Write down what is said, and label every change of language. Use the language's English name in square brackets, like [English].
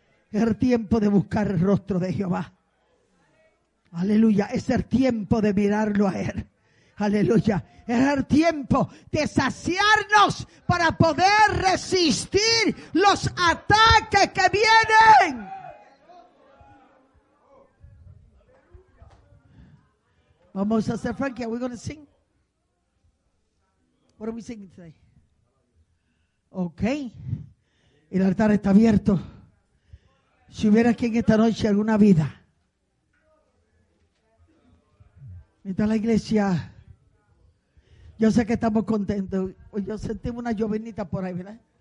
[Spanish] Es el tiempo de buscar el rostro de Jehová. Aleluya. Es el tiempo de mirarlo a Él. Aleluya. Es el tiempo de saciarnos para poder resistir los ataques que vienen. Vamos a hacer, [English] Frankie, are we going to sing? What are we singing today? [Spanish] Okay. El altar está abierto. Si hubiera aquí en esta noche alguna vida, mientras la iglesia, yo sé que estamos contentos. Yo sentí una jovenita por ahí, ¿verdad?